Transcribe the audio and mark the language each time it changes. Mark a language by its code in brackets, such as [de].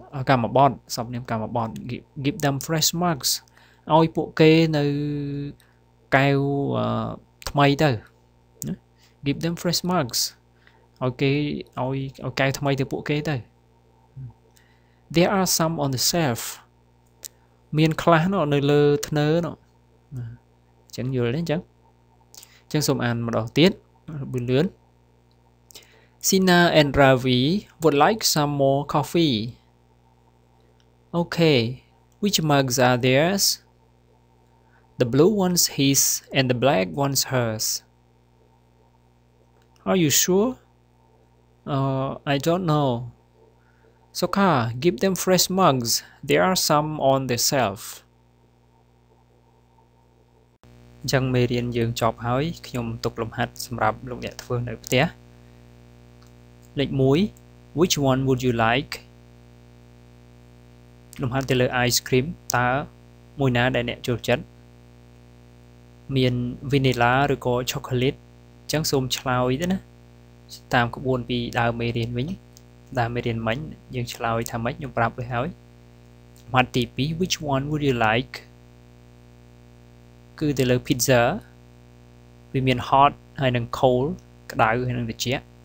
[km] កម្មបត់សព្វនាមកម្មបត់ [en] give them fresh mugs [km] ឲ្យពួកគេនៅកែវថ្មីទៅ give them fresh mugs ឲ្យគេឲ្យកែវថ្មីទៅពួកគេទៅ [en] there are some on the shelf [km] មានខ្លះនោះនៅលើធ្នើនោះអញ្ចឹងយល់ទេអញ្ចឹងសូមអានម្ដងទៀតបើលឿន [en] Sina and Ravi would like some more coffee. Okay, which mugs are theirs? The blue one's his and the black one's hers. Are you sure? I don't know. Sokka, give them fresh mugs. There are some on the shelf. [km] ចង់មេរៀនយើងចប់ហើយខ្ញុំទុកលំហាត់សម្រាប់លោកអ្នកធ្វើនៅផ្ទះលេខ1 [en] which one would you like [km] លំហាត់ទៅលើ ice cream តើមួយណាដែលអ្នកចូលចិត្តមាន vanilla ឬក៏ chocolate អញ្ចឹងសូមឆ្លើយទៅណាតាមក្បួនពីដើមមេរៀនវិញដើមមេរៀនមិញយើងឆ្លើយថាម៉េចខ្ញុំប្រាប់ទៅហើយម៉ាត់ទី2 [en] which one would you like [km] គឺទៅលើ pizza វាមាន hot ហើយនិង cold ក្តៅហើយនិងត្រជាក់